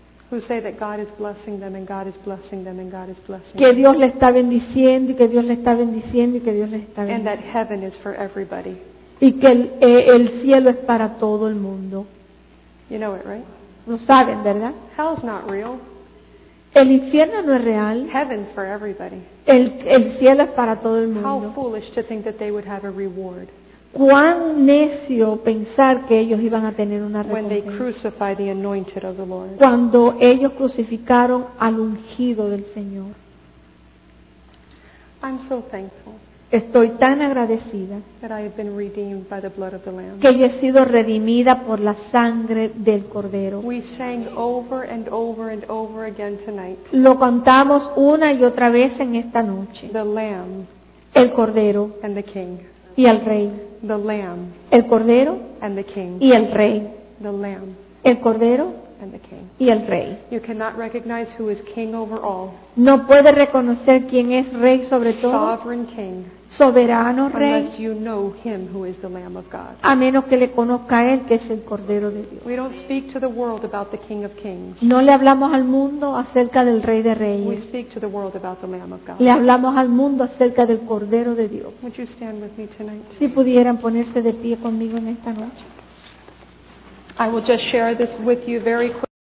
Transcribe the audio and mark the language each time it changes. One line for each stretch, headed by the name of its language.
English: Who say that God is blessing them and God is blessing them and God is blessing them.
Spanish: Que Dios le está bendiciendo y que Dios le está bendiciendo y que Dios le está bendiciendo.
English: And that heaven is for everybody.
Spanish: Y que el cielo es para todo el mundo.
English: You know it, right?
Spanish: Lo saben, ¿verdad?
English: Hell's not real.
Spanish: El infierno no es real.
English: Heaven's for everybody.
Spanish: El cielo es para todo el mundo.
English: How foolish to think that they would have a reward.
Spanish: Cuán necio pensar que ellos iban a tener una recompensa.
English: When they crucify the anointed of the Lord.
Spanish: Cuando ellos crucificaron al ungido del Señor.
English: I'm so thankful.
Spanish: Estoy tan agradecida
English: that I have been redeemed by the blood of the Lamb.
Spanish: Que yo he sido redimida por la sangre del Cordero.
English: We sang over and over and over again tonight.
Spanish: Lo cantamos una y otra vez en esta noche.
English: The Lamb.
Spanish: El Cordero.
English: And the King.
Spanish: Y el Rey.
English: The Lamb.
Spanish: El Cordero.
English: And the King.
Spanish: Y el Rey.
English: The Lamb.
Spanish: El Cordero.
English: And the King.
Spanish: Y el Rey.
English: You cannot recognize who is King over all.
Spanish: No puede reconocer quién es Rey sobre todo.
English: Sovereign King.
Spanish: Soberano Rey.
English: Unless you know him who is the Lamb of God.
Spanish: A menos que le conozca a él que es el Cordero de Dios.
English: We don't speak to the world about the King of Kings.
Spanish: No le hablamos al mundo acerca del Rey de Reyes.
English: We speak to the world about the Lamb of God.
Spanish: Le hablamos al mundo acerca del Cordero de Dios.
English: Would you stand with me tonight?
Spanish: Si pudieran ponerse de pie conmigo en esta noche.
English: I will just share this with you very quickly.